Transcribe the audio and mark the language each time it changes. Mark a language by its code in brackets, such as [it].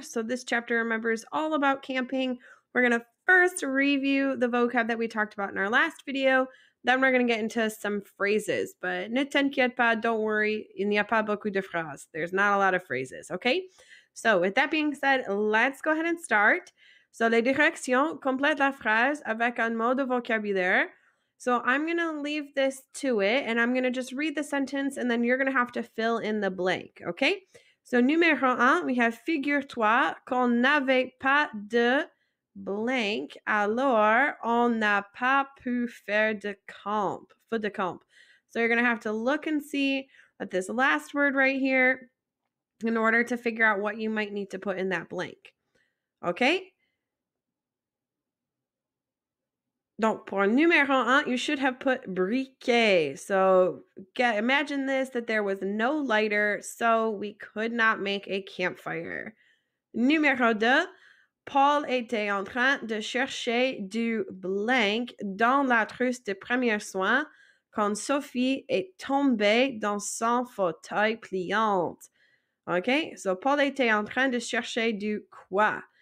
[en] So this chapter, remember, is all about camping. We're going to first review the vocab that we talked about in our last video. Then we're going to get into some phrases. But [fr] ne t'inquiète pas, [en] don't worry, [fr] il n'y a pas beaucoup de phrases. [en] There's not a lot of phrases, okay? So, with that being said, let's go ahead and start. [fr] So, les directions complètent la phrase avec un mot de vocabulaire. [en] So, I'm going to leave this to it, and I'm going to just read the sentence, and then you're going to have to fill in the blank, okay? [fr] So, numéro un, [en] we have [fr] figure-toi qu'on n'avait pas de blank, alors on n'a pas pu faire de camp, feu de camp. [en] So, you're going to have to look and see at this last word right here, in order to figure out what you might need to put in that blank. Okay? [fr] Donc, pour numéro un, [en] you should have put briquet. So, imagine this, that there was no lighter, so we could not make a campfire. [fr] Numéro deux, Paul était en train de chercher du blank dans la trousse de premiers soins quand Sophie est tombée dans son fauteuil pliant. Okay, so Paul était en train de chercher du quoi?